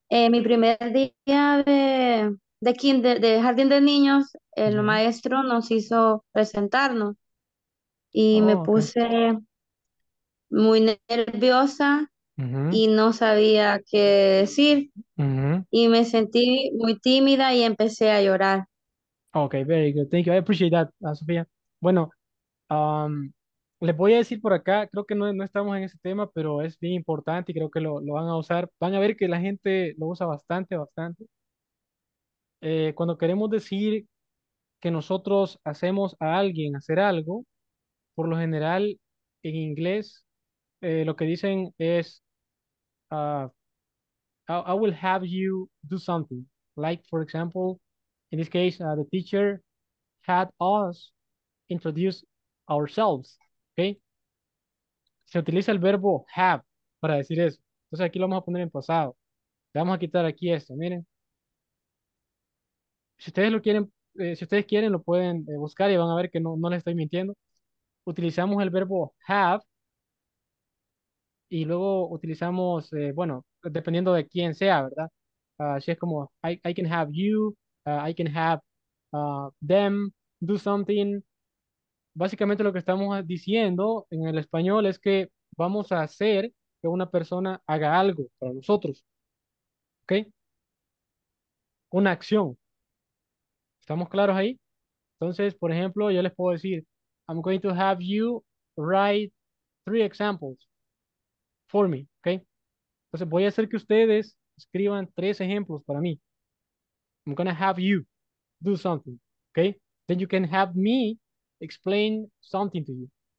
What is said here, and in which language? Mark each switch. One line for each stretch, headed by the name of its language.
Spanish: Mi primer día de kinder, de jardín de niños, el maestro nos hizo presentarnos. Y me puse... muy nerviosa y no sabía qué decir y me sentí muy tímida y empecé a llorar.
English: Okay, very good, thank you, I appreciate that, Sofía.
Spanish: Bueno, les voy a decir por acá, creo que no estamos en ese tema, pero es bien importante y creo que lo van a usar, van a ver que la gente lo usa bastante. Cuando queremos decir que nosotros hacemos a alguien hacer algo, por lo general en inglés lo que dicen es
English: I will have you do something. Like, for example, in this case, the teacher had us introduce ourselves. Okay?
Spanish: Se utiliza el verbo have para decir eso. Entonces aquí lo vamos a poner en pasado. Le vamos a quitar aquí esto, miren. Si ustedes lo quieren, si ustedes quieren, lo pueden buscar y van a ver que no les estoy mintiendo. Utilizamos el verbo have. Y luego utilizamos, bueno, dependiendo de quién sea, ¿verdad? Si es como,
English: I can have you, I can have them do something.
Spanish: Básicamente lo que estamos diciendo en el español es que vamos a hacer que una persona haga algo para nosotros. ¿Ok? Una acción. ¿Estamos claros ahí? Entonces, por ejemplo, yo les puedo decir,
English: I'm going to have you write 3 examples. For me, ¿ok?
Spanish: Entonces voy a hacer que ustedes escriban 3 ejemplos para mí.
English: I'm gonna have you do something, ¿ok? Then you can have me explain something to you.